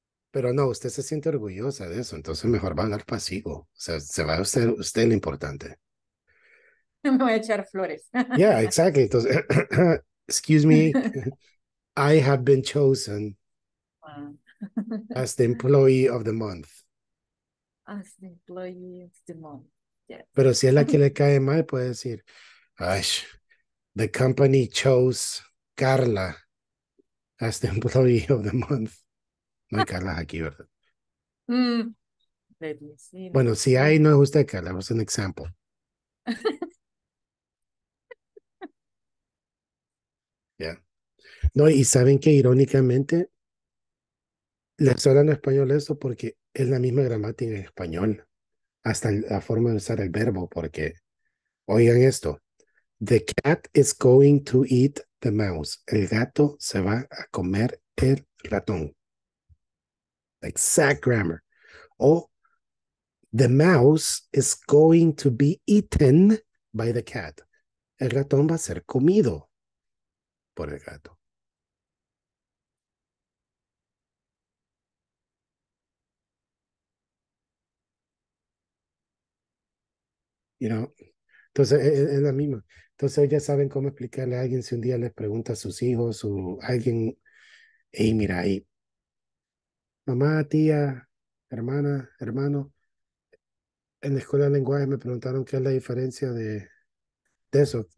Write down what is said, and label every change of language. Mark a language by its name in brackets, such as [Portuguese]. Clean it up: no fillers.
[Spanish] Pero no, usted se siente orgullosa de eso, entonces mejor va a hablar pasivo. O sea, se va a hacer usted lo importante. Me voy a echar flores. [English] Yeah, exactly. Entonces, excuse me, I have been chosen as the employee of the month. As the employee of the month. [Spanish] Pero si es la que le cae mal, puede decir, ay, [English] the company chose Carla as the employee of the month. [Spanish] No hay Carla aquí, ¿verdad? Mm. Bueno, si hay, no es usted, Carla. [English] Was an example. Yeah. [Spanish] No, y saben que irónicamente, le estoy hablando en español eso porque es la misma gramática en español. Hasta la forma de usar el verbo, porque, oigan esto, [English] the cat is going to eat the mouse. [Spanish] El gato se va a comer el ratón. [English] Exact grammar. O, the mouse is going to be eaten by the cat. [Spanish] El ratón va a ser comido por el gato. [English] You know? [Spanish] Entonces es la misma. Entonces ya saben cómo explicarle a alguien si un día les pregunta a sus hijos o alguien, hey, mira ahí, mamá, tía, hermana, hermano, en la escuela de lenguaje me preguntaron qué es la diferencia de eso.